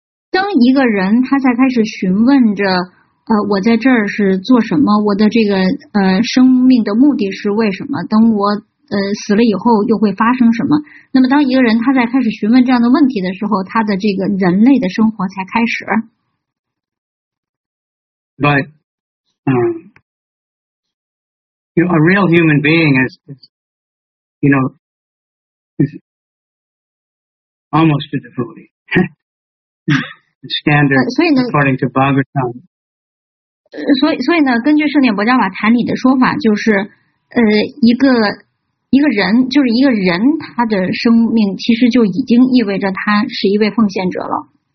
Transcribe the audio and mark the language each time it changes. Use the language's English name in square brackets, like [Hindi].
[Chinese] 当一个人他在开始询问着，我在这儿是做什么？我的这个生命的目的是为什么？等我死了以后又会发生什么？那么当一个人他在开始询问这样的问题的时候，他的这个人类的生活才开始。 [English] But you know, a real human being is almost a devotee. Standard, according to Bhagavatam. [Chinese] 所以呢，根据圣典薄伽瓦坛里的说法，就是一个人，就是一个人，他的生命其实就已经意味着他是一位奉献者了。